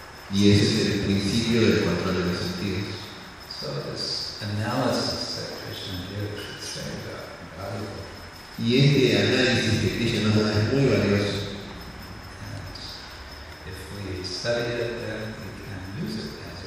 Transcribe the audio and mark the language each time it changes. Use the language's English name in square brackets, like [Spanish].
[Spanish] Y ese es el principio del control de los sentidos. [English] So this analysis that Krishna gives is very valuable. [Spanish] Y este análisis que Krishna nos da es muy valioso. [English] If we study it, then we can use it.